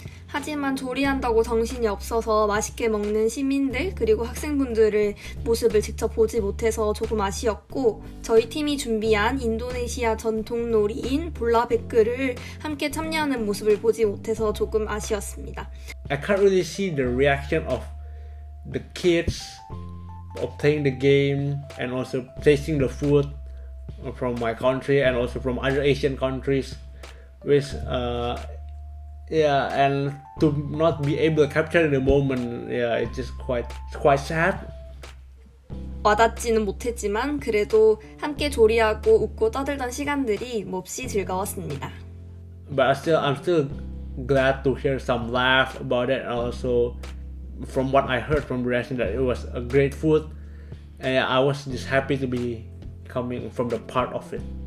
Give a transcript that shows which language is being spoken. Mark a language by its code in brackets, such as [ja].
[ko] 하지만 조리한다고 정신이 없어서 맛있게 먹는 시민들 그리고 학생분들의 모습을 직접 보지 못해서 조금 아쉬웠고 저희 팀이 준비한 인도네시아 전통 놀이인 볼라베끌을 함께 참여하는 모습을 보지 못해서 조금 아쉬웠습니다. [en] I can't really see the reaction of the kids playing the game and also tasting the food from my country and also from other Asian countries with Yeah, and to not be able to capture in the moment, yeah, it's just quite sad. [ko] 와닿지는 못했지만 그래도 함께 조리하고 웃고 떠들던 시간들이 몹시 즐거웠습니다. [en] But I'm still glad to hear some laugh about it. Also, from what I heard from the restaurant, that it was a great food, and yeah, I was just happy to be coming from the part of it.